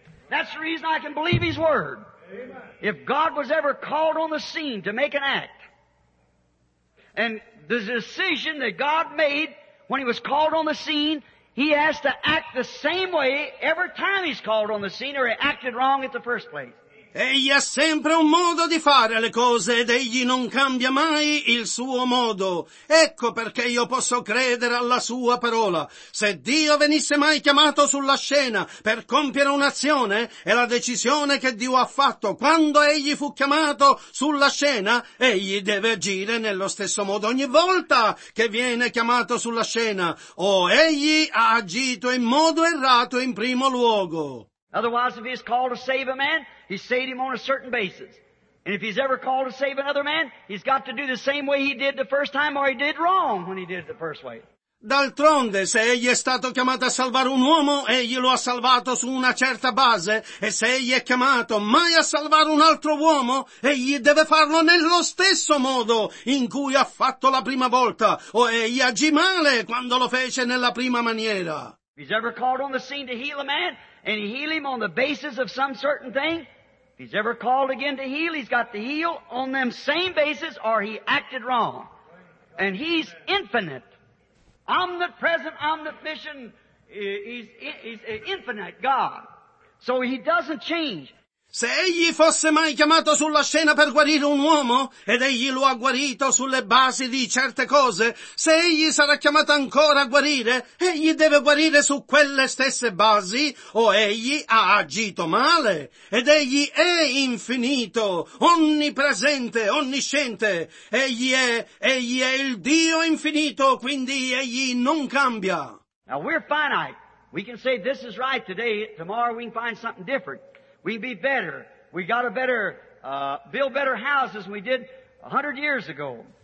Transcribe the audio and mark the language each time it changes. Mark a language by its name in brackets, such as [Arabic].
[English] That's the reason I can believe his word. If God was ever called on the scene to make an act, and the decision that God made when he was called on the scene, he has to act the same way every time he's called on the scene, or he acted wrong at the first place. [Italian] Egli ha sempre un modo di fare le cose ed egli non cambia mai il suo modo. Ecco perché io posso credere alla sua parola. Se Dio venisse mai chiamato sulla scena per compiere un'azione, è la decisione che Dio ha fatto. Quando egli fu chiamato sulla scena, egli deve agire nello stesso modo ogni volta che viene chiamato sulla scena. O egli ha agito in modo errato in primo luogo. [English] Otherwise, if he is called to save a man, he saved him on a certain basis. And if he's ever called to save another man, he's got to do the same way he did the first time, or he did wrong when he did it the first way. [Italian] D'altronde, se egli è stato chiamato a salvare un uomo, egli lo ha salvato su una certa base, e se egli è chiamato mai a salvare un altro uomo, egli deve farlo nello stesso modo in cui ha fatto la prima volta, o egli agì male quando lo fece nella prima maniera. [English] If he's ever called on the scene to heal a man, and heal him on the basis of some certain thing, if he's ever called again to heal, he's got to heal on them same basis, or he acted wrong. And he's infinite. Omnipresent, omniscient, he's infinite God. So he doesn't change. [Italian] Se egli fosse mai chiamato sulla scena per guarire un uomo, ed egli lo ha guarito sulle basi di certe cose, se egli sarà chiamato ancora a guarire, egli deve guarire su quelle stesse basi, o egli ha agito male. Ed egli è infinito, onnipresente, onnisciente. Egli è il Dio infinito, quindi egli non cambia. [English] Now we're finite. We can say this is right today, tomorrow we can find something different. We be better. We got a better, build better houses than we did 100 years ago.